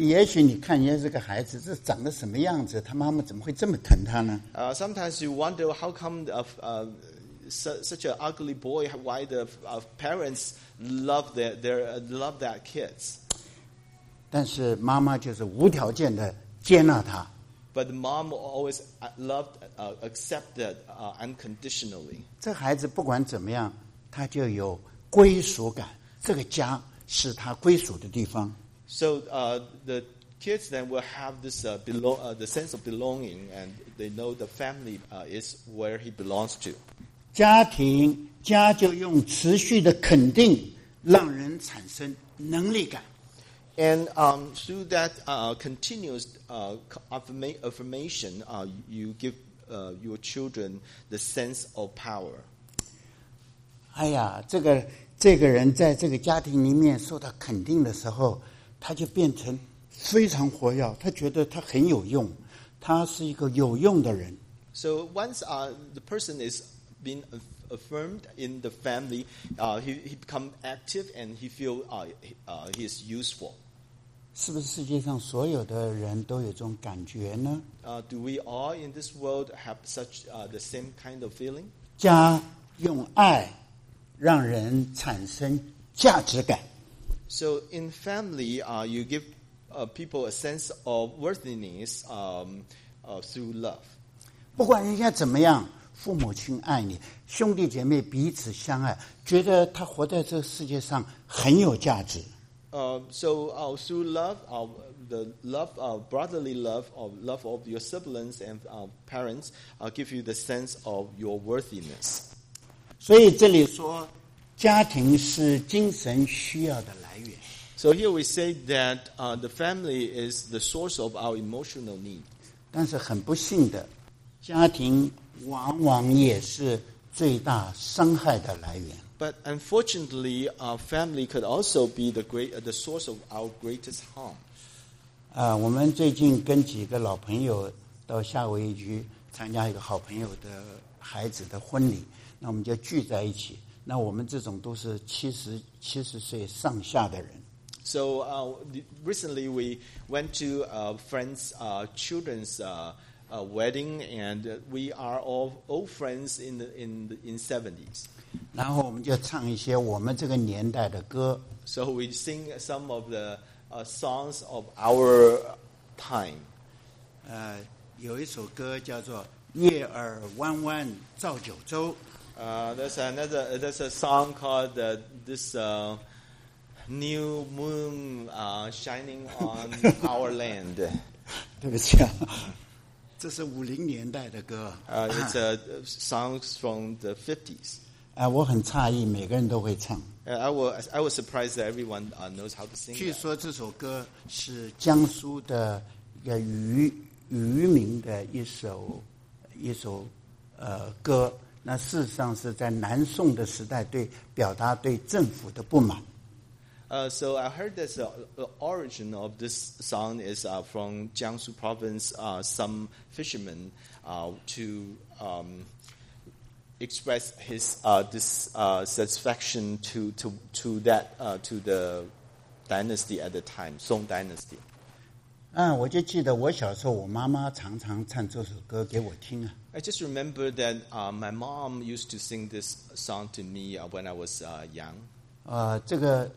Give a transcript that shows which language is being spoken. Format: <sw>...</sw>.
<zh>也许你看见这个孩子是长得什么样子，他妈妈怎么会这么疼他呢？</zh> <en>Sometimes you wonder how come such an ugly boy, why the parents love love that kids.</en> <zh>但是妈妈就是无条件的接纳他。</zh> <en>But the mom always loved, accepted unconditionally.</en> <zh>这孩子不管怎么样，他就有归属感。这个家是他归属的地方。</zh> <en>So the kids then will have this the sense of belonging, and they know the family is where he belongs to.</en> <zh>家庭家就用持续的肯定，让人产生能力感。</zh> <en>And through that continuous affirmation, you give your children the sense of power.</en> <zh>哎呀，这个人在这个家庭里面受到肯定的时候，他就变成非常活跃，他觉得他很有用，他是一个有用的人。</zh> <en>So once the person is being affirmed in the family, he become active and he feel he is useful.</en> <zh>是不是世界上所有的人都有这种感觉呢？</zh> <en>Do we all in this world have such the same kind of feeling?</en> <zh>家用爱让人产生价值感。</zh> <en>So in family, you give people a sense of worthiness through love.</en> <zh>不管人家怎么样，父母亲爱你，兄弟姐妹彼此相爱，觉得他活在这个世界上很有价值。</zh> <en>So through love, the love, brotherly love, love of your siblings and parents, give you the sense of your worthiness.</en> <zh>所以这里说，家庭是精神需要的来源。</zh> <en>So here we say that the family is the source of our emotional need.</en> <zh>但是很不幸的，家庭往往也是最大伤害的来源。</zh> <en>But unfortunately, our family could also be the source of our greatest harm.</en> <zh>我们最近跟几个老朋友到夏威夷去参加一个好朋友的孩子的婚礼，那我们就聚在一起。那我们这种都是七十岁上下的人。</zh> <en>So recently we went to a friend's children's wedding, and we are all old friends in 70s.</en> <zh>然后我们就唱一些我们这个年代的歌。</zh> <en>So we sing some of the songs of our time.</en> <zh>有一首歌叫做《月儿弯弯照九州》。</zh> <en>There's a song called this new moon shining on our land.</en> <zh>对不起啊，这是五零年代的歌。</zh> <en>It's a songs from the 50s.</en> <zh>我很诧异，每个人都会唱。</zh> <en>I was surprised that everyone knows how to sing.</en> <zh>据说这首歌是江苏的渔民的一首歌。那事实上是在南宋的时代对表达对政府的不满。</zh> <en>So I heard that the origin of this song is from Jiangsu province, some fishermen to express his dissatisfaction to that to the dynasty at the time, Song dynasty.</en> <zh>我就记得我小时候我妈妈常常唱这首歌给我听啊。</zh> <en>I just remember that my mom used to sing this song to me when I was young.</en>